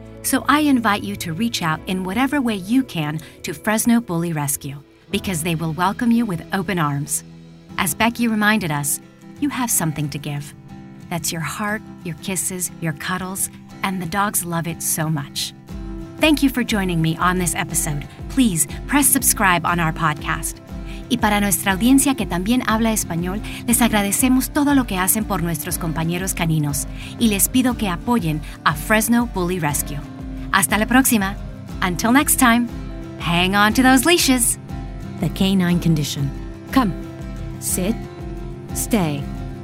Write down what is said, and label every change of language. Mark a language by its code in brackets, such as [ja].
[en] So I invite you to reach out in whatever way you can to Fresno Bully Rescue, because they will welcome you with open arms. As Becky reminded us, you have something to give. That's your heart, your kisses, your cuddles, and the dogs love it so much. Thank you for joining me on this episode. Please press subscribe on our podcast. [es] Y para nuestra audiencia que también habla español, les agradecemos todo lo que hacen por nuestros compañeros caninos y les pido que apoyen a Fresno Bully Rescue. Hasta la próxima. [en] Until next time, hang on to those leashes. The canine condition. Come, sit, stay.